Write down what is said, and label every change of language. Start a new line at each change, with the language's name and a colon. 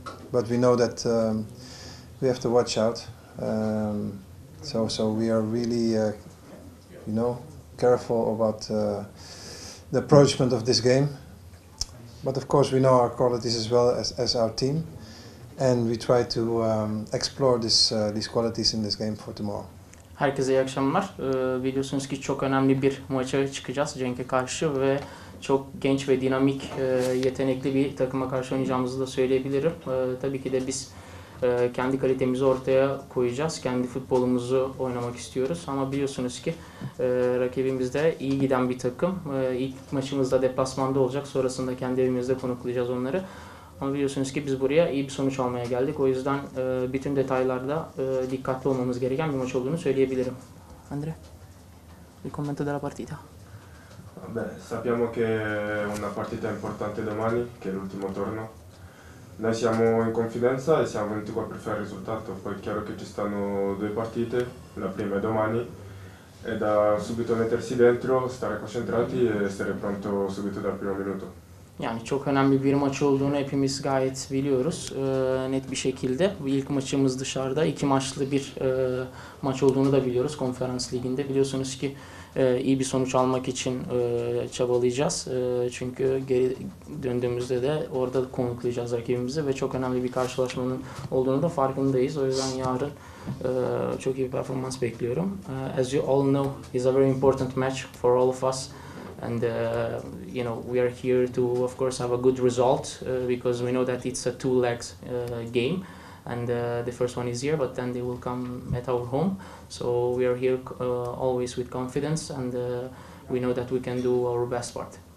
English: But we know that we have to watch out. So we are really, you know, careful about the approachment of this game. But of course, we know our qualities as well as our team, and we try to explore these qualities in this game for tomorrow.
Turkish: Herkese iyi akşamlar. Biliyorsunuz ki çok önemli bir maça çıkacağız Genk'e karşı ve çok genç ve dinamik, yetenekli bir takıma karşı oynayacağımızı da söyleyebilirim. Tabii ki de biz kendi kalitemizi ortaya koyacağız. Kendi futbolumuzu oynamak istiyoruz. Ama biliyorsunuz ki rakibimiz de iyi giden bir takım. İlk maçımızda deplasmanda olacak. Sonrasında kendi evimizde konuklayacağız onları. Ama biliyorsunuz ki biz buraya iyi bir sonuç almaya geldik. O yüzden bütün detaylarda dikkatli olmamız gereken bir maç olduğunu söyleyebilirim.
Italian: Andre, il commento della partita. Beh, sappiamo che è una partita importante domani, che è l'ultimo turno. Noi siamo in confidenza e siamo venuti qua per fare il risultato. Poi è chiaro che ci stanno due partite, la prima è domani. È da subito mettersi dentro, stare concentrati e essere pronto subito dal primo minuto.
Turkish: Yani çok önemli bir maç olduğunu hepimiz gayet biliyoruz, net bir şekilde. İlk maçımız dışarıda, iki maçlı bir maç olduğunu da biliyoruz Konferans Ligi'nde. Biliyorsunuz ki iyi bir sonuç almak için çabalayacağız. Çünkü geri döndüğümüzde de orada konuklayacağız rakibimizi ve çok önemli bir karşılaşmanın olduğunu da farkındayız. O yüzden yarın çok iyi bir performans bekliyorum.
English: As you all know, it's a very important match for all of us. And you know, we are here to, of course, have a good result because we know that it's a two-legs game, and the first one is here, but then they will come at our home. So we are here always with confidence, and we know that we can do our best part.